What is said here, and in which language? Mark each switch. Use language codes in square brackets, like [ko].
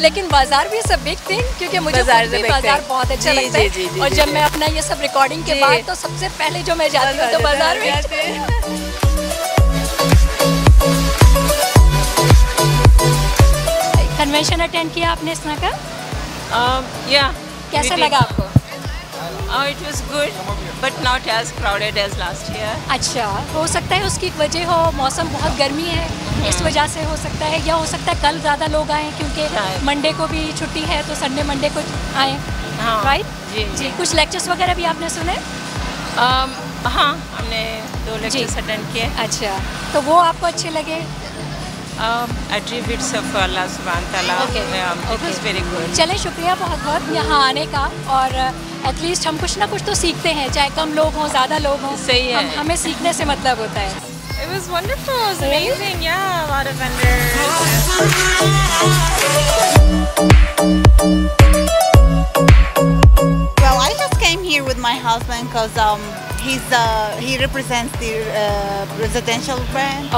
[hi] लेकिन बाजार भी [en] is a big thing [hi] क्योंकि मुझे बाजार बहुत अच्छा लगता है और जब मैं अपना ये सब रिकॉर्डिंग के बाद तो सबसे पहले जो मैं जाती हूँ तो बाजार में जाती हूँ। कन्वेंशन अटेंड किया आपने इस ना का? या कैसा लगा आपको? [en] Oh, it was good, but not as crowded as last year. [hi] अच्छा, हो सकता है उसकी वजह हो, मौसम बहुत गर्मी है इस वजह से हो सकता है, या हो सकता है कल ज़्यादा लोग आए क्योंकि मंडे को भी छुट्टी है तो संडे मंडे को आए, राइट? जी कुछ लेक्चर्स वगैरह भी आपने सुने? हाँ, हमने दो लेक्चर्स अटेंड किए। अच्छा, तो वो आपको अच्छे लगे? [en] Attributes of Allah subhanahu wa ta'ala. Okay. Very good. [hi] चले शुक्रिया बहुत बहुत यहाँ आने का, और एटलीस्ट हम कुछ ना कुछ तो सीखते हैं, चाहे कम लोग हों ज्यादा लोग हों, सही है, हमें सीखने से मतलब होता है। [en] It was wonderful, it was amazing. Yeah, a lot of vendors. Well, I just came here with my husband because he represents the residential brand.